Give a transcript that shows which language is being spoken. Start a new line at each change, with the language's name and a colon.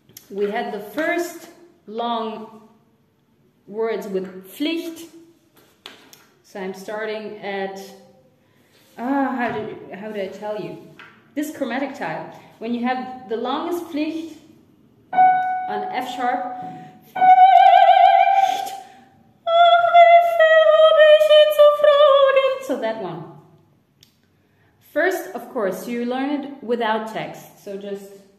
English: We had the first long words with Pflicht. So I'm starting at, how did I tell you? This chromatic tile. When you have the longest Pflicht on F sharp.
German: Pflicht! Ach, wie viel hab ich ihn zu fragen?
English: So that one. First, of course, you learn it without text. So just.